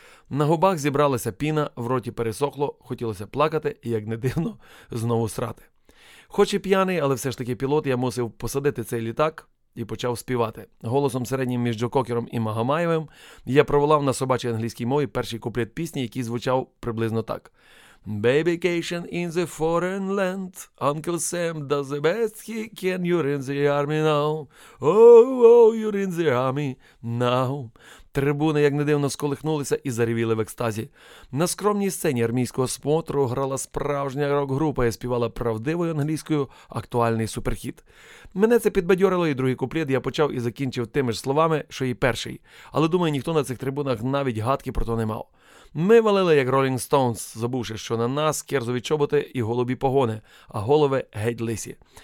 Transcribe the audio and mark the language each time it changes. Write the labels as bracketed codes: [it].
[uk] На губах зібралася піна, в роті пересохло, хотілося плакати і, як не дивно, знову срати. Хоч і п'яний, але все ж таки пілот, я мусив посадити цей літак і почав співати. Голосом середнім між Джо Кокером і Магомаєвим я проволав на собачій англійській мові перший куплет пісні, який звучав приблизно так. [en] «Babycation in the foreign land, Uncle Sam does the best he can, you're in the army now, oh, oh, you're in the army now». [uk] Трибуни, як не дивно, сколихнулися і заревіли в екстазі. На скромній сцені армійського смотру грала справжня рок-група і співала правдивою англійською актуальний суперхіт. Мене це підбадьорило, і другий куплет я почав і закінчив тими ж словами, що й перший. Але, думаю, ніхто на цих трибунах навіть гадки про то не мав. Ми валили, як Rolling Stones, забувши, що на нас кірзові чоботи і голубі погони, а голови геть лисі.